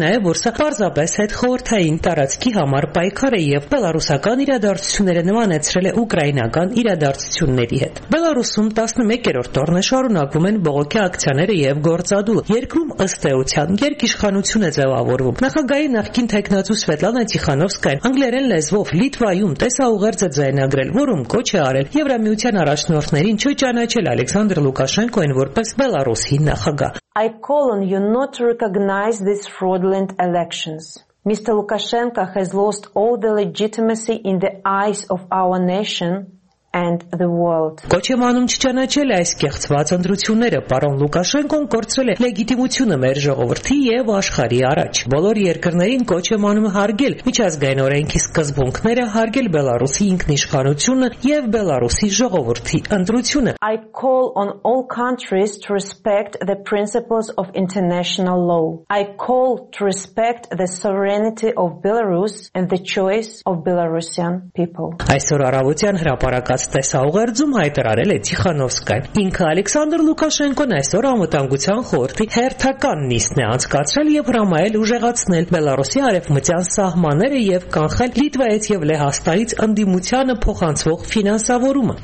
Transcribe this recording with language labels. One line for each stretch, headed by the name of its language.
Armenian: է, որ սա պարզապես հետ խորհրդային տարածքի համար պայքար է, և բելարուսական իրադարձությունները նմանեցրել է ուկրաինական իրադարձությունների հետ։ Բելարուսում 11-րդ օրն է շարունակվում են բողոքի ակցիաները և գործադուլ։ Երկրում ըստ էության երկիշխանություն է ձևավորվում։ Նախագահի նախկին թեկնածու Սվետլանա Տիխանովսկայան անգլերեն լեզվով Լիտվայում տեսաուղերձ է ձայնագրել, որում կոչ է արել Եվրամիության առաջնորդներին չճանաչել Ալեքսանդր Լուկաշենկոին որպես բելարուսի նախագահ։
English: I call on you not to recognize these fraudulent elections. Mr. Lukashenko has lost all the legitimacy in the eyes of our nation and the world.
Armenian: Կոչեմանում չճանաչել այս կեղծված ընդրությունները, պարոն Լուկաշենկոն կորցրել է լեգիտիմությունը մեր ժողովրդի եւ աշխարհի առաջ։ Բոլոր երկրներին կոչեմանում հարգել միջազգային օրենքի սկզբունքները, հարգել Բելարուսի ինքնիշխանությունը եւ Բելարուսի ժողովրդի ընդրությունը։
English: I call on all countries to respect the principles of international law. I call to respect the sovereignty of Belarus and the choice of Belarusian people.
Armenian: Այսօր արաբության հրապարակած տեսաուղերձում հայտարարել է Տիխանովսկայն։ Ինքը Ալեքսանդր Լուկաշենկոն այսօր անվտանգության խորհրդի հերթական նիստն է անցկացրել եւ հրամայել ուժեղացնել Բելարուսի արևմտյան սահմանները եւ կանխել Լիտվայից եւ Լեհաստանից ընդդիմությանը փոխանցվող ֆինանսավորումը։